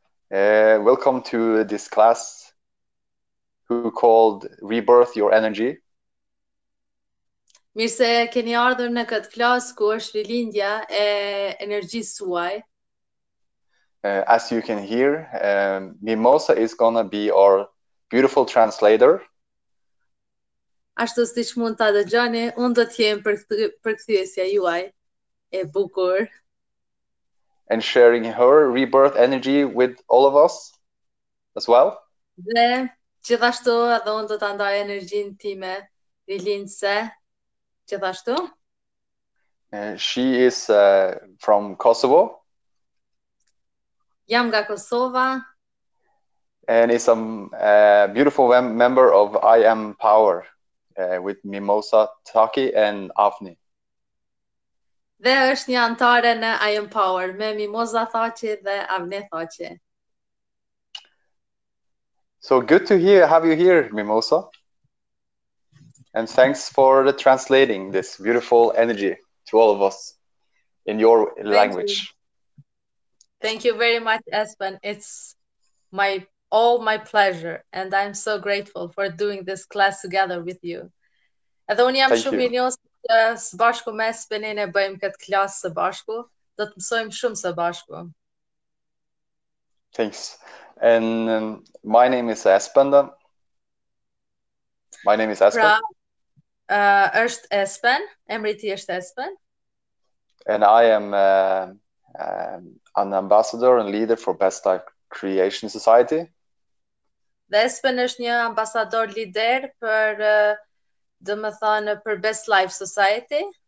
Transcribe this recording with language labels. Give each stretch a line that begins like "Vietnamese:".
English: Welcome to this class who called Rebirth Your Energy.
Albanian: Mirse keni ardhur në këtë klasë ku është rilindja e energjisë suaj.
English: As you can hear, Mimosa is going to be our beautiful translator.
Albanian: Ashtu siç mund ta dëgjoni, unë do të jem përkthyesja juaj e bukur.
English: And sharing her rebirth energy with all of us as well.
Albanian: Dhe gjithashtu edhe unë do ta ndaj energjinë time rilindëse. Gjithashtu.
English: She is from Kosovo.
Albanian: Jam nga Kosova.
English: And is a beautiful member of I Am Power with Mimosa, Taki and Afni.
Albanian: Dhe është një antare në I Am Power me Mimosa Thaqi dhe Avne Thaqi.
English: So good to hear, have you here, Mimosa. And thanks for the translating this beautiful energy to all of us in your Thank language. You. Thank you very much, Espen. It's my pleasure, and I'm so grateful for doing this class together with you.
Albanian: Edhe unë jam shumë mirënjohës që së bashku me Espenin e bëjmë këtë klasë së bashku. Do të mësojmë shumë së bashku.
English: Thanks. And my name is Espen. My name is Espen.
Albanian: Është Espen, emri ti është Espen.
English: And I am an ambassador and leader for Best Life Creation Society.
Albanian: Dhe Espen është një ambasador lider për domethënë për Best Life Society.